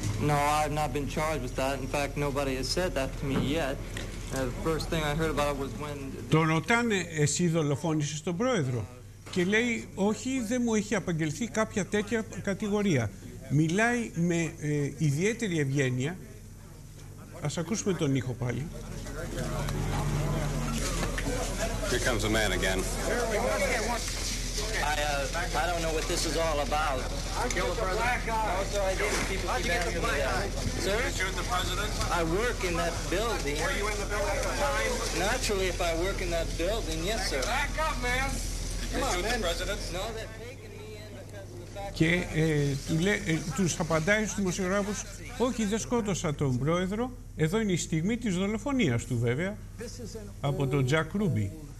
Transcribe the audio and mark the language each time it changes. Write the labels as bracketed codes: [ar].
[en] No, I've not been charged with that. In fact, nobody has said that to me yet. The first thing I heard about it was when... [el] Τον ρωτάνε, εσύ δολοφόνησες τον πρόεδρο? Και λέει, όχι, δεν μου έχει απαγγελθεί κάποια τέτοια κατηγορία. Μιλάει με ιδιαίτερη ευγένεια. Ας ακούσουμε τον ήχο πάλι. [en] Here comes a man again. I don't know what this is all about. I killed the black guy. Also, I didn't keep the black guy. Sir? Did you shoot the president? I work in that building. Were you in the building at the time? Naturally, if I work in that building, yes, sir. Back up, man. Did you shoot the president? No, they're taking me in because of the fact that... [el] Και τους απαντάει στους δημοσιογράφους, όχι, δεν σκότωσα τον πρόεδρο. Εδώ είναι η στιγμή της δολοφονίας του, βέβαια, από τον Τζακ Ρούμπι.